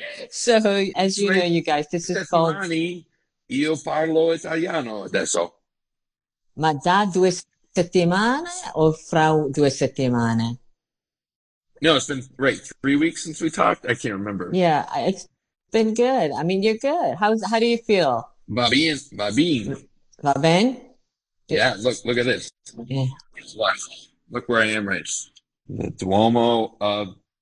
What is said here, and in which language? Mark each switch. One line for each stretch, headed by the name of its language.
English: So, as you know, you guys, this is called...
Italian: Domani io parlo italiano adesso. Ma da 2 settimane o fra 2 settimane?
English: No, it's been, right, 3 weeks since we talked? I can't remember. Yeah, it's been good. I mean, you're good. How do you feel?
Spanish: Va bien, va bien. Va bien?
English: Yeah, look at this. Yeah. Look where I am right. The Duomo of